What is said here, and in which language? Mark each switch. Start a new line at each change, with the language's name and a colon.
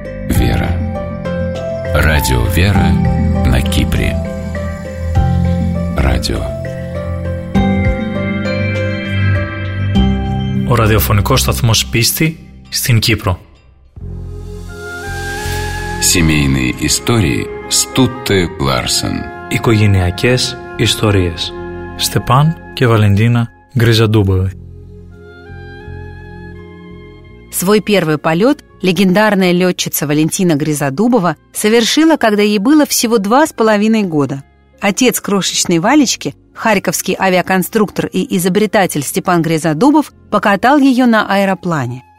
Russian: Вера. Радио Вера. На Кипре. Радио.
Greek: Ο ραδιοφωνικός σταθμός πίστη στην Κύπρο.
Russian: Семейные истории Стутте Ларсен.
Greek: Οικογενειακές ιστορίες Στεπάν και Βαλεντίνα Γκριζαντούμποβοι.
Russian: Свой первый полет легендарная летчица Валентина Грязодубова совершила, когда ей было всего 2,5 года. Отец крошечной Валечки, харьковский авиаконструктор и изобретатель Степан Грязодубов, покатал ее на аэроплане.